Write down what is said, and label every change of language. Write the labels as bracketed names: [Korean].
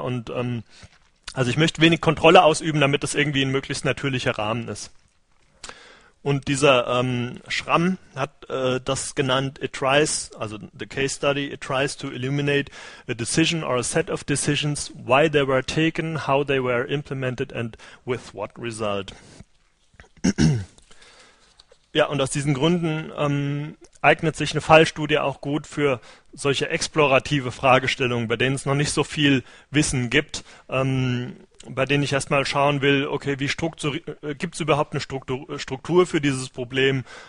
[German] Und also ich möchte wenig Kontrolle ausüben, damit das irgendwie ein möglichst natürlicher Rahmen ist. Und dieser Schramm hat das genannt, [English] it tries, also the case study, it tries to illuminate a decision or a set of decisions, why they were taken, how they were implemented and with what result. [German] Ja, und aus diesen Gründen eignet sich eine Fallstudie auch gut für solche explorative Fragestellungen, bei denen es noch nicht so viel Wissen gibt. Bei denen ich erstmal schauen will, okay, wie gibt es überhaupt eine Struktur für dieses Problem?